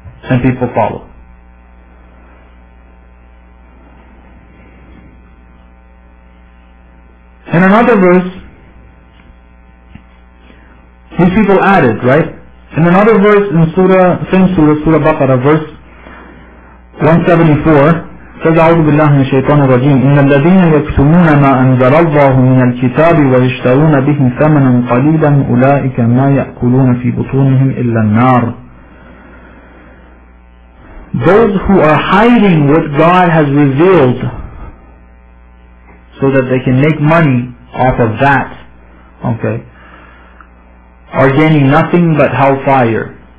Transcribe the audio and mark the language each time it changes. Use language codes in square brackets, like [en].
[en] And people follow. In another verse, these people added, right? In another verse, in same surah, Baqarah, verse 174, says, [ar] أعوذ بالله من الشيطان الرجيم إن الذين يكتمون ما أنزل الله من الكتاب ويشترون به ثمنا قليلا أولئك ما يأكلون في بطونهم إلا النار. [en] Those who are hiding what God has revealed so that they can make money off of that, okay, are gaining nothing but hellfire.